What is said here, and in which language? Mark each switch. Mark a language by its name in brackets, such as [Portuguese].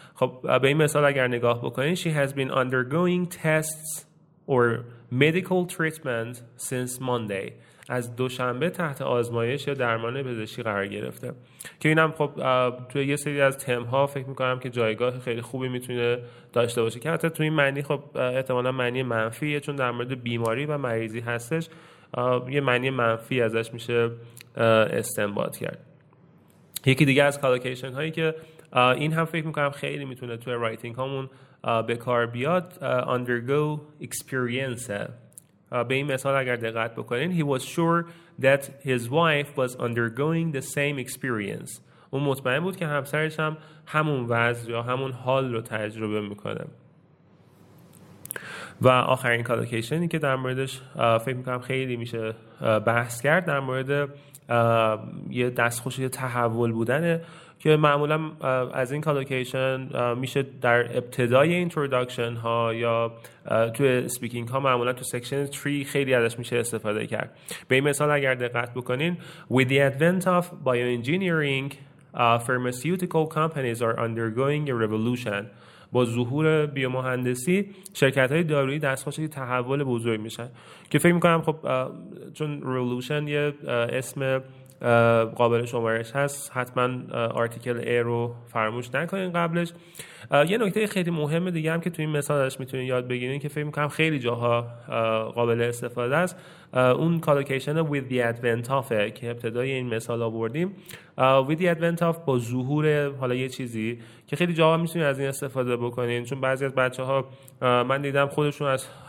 [Persian] خب به این مثال اگر نگاه بکنین، [English] she has been undergoing tests or medical treatment since Monday. [Persian] از دوشنبه تحت آزمایش یا درمان پزشکی قرار گرفته. که اینم خب توی یه سری از تم‌ها فکر می‌کنم که جایگاه خیلی خوبی میتونه داشته باشه. که حتی توی این معنی خب احتمالاً معنی منفیه، چون در مورد بیماری و مریضی هستش، یه معنی منفی ازش میشه استنباط کرد. یکی دیگه از کالوکیشن هایی که این هم فکر میکنم خیلی میتونه توی رایتینگ هامون به کار بیاد، undergo experience. به این مثال اگر دقت بکنین، [English] he was sure that his wife was undergoing the same experience. [Persian] اون مطمئن بود که همسرش هم همون وضع یا همون حال رو تجربه میکنه. و آخرین کالوکیشنی که در موردش فکر میکنم خیلی میشه بحث کرد، در مورد یه دستخوش یه تحول بودنه، که معمولا از این کالوکیشن میشه در ابتدای اینتروداکشن ها یا توی سپیکینگ ها معمولا تو سیکشن 3 خیلی ازش میشه استفاده کرد. به این مثال اگر دقت بکنین، [English] With the advent of bioengineering, pharmaceutical companies are undergoing a revolution. [Persian] با ظهور بیومهندسی شرکت‌های دارویی دستخوش یه تحول بزرگ میشن. که فکر می‌کنم خب چون رولوشن یه اسم قابل شمارش هست، حتما آرتیکل ای رو فراموش نکنین قبلش. یه نکته خیلی مهم دیگه هم که توی این مثال ازش میتونین یاد بگیرین که فکر می‌کنم خیلی جاها قابل استفاده است، اون کالوکیشن [English] with the advent of [Persian] که ابتدای این مثال آوردیم، with the advent of با ظهور حالا یه چیزی، که خیلی جاها میتونین از این استفاده بکنین، چون بعضی از بچه‌ها من دیدم خودشون از